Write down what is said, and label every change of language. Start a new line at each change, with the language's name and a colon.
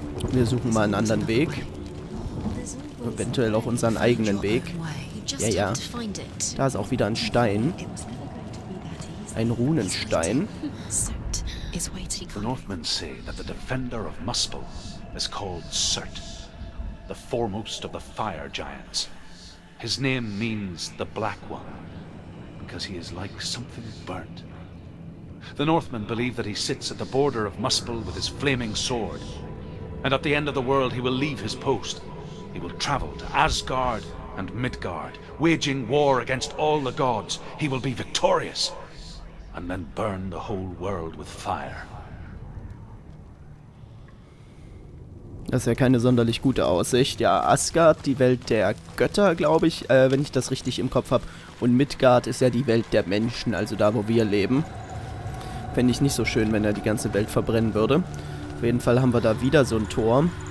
German: Wir suchen mal einen anderen Weg. Eventuell auch unseren eigenen Weg. Ja. Da ist auch wieder ein Stein. Ein Runenstein.
English: The Northmen say that the defender of Muspel is called Surt, the foremost of the fire giants. His name means the black one, because he is like something burnt. The Northmen believe that he sits at the border of Muspel with his flaming sword, and at the end of the world he will leave his post. He will travel to Asgard and Midgard, waging war against all the gods. He will be victorious and then burn the whole world with fire.
German: Das ist ja keine sonderlich gute Aussicht. Ja, Asgard, die Welt der Götter, glaube ich, wenn ich das richtig im Kopf habe. Und Midgard ist ja die Welt der Menschen, also da, wo wir leben. Fände ich nicht so schön, wenn er die ganze Welt verbrennen würde. Auf jeden Fall haben wir da wieder so ein Tor.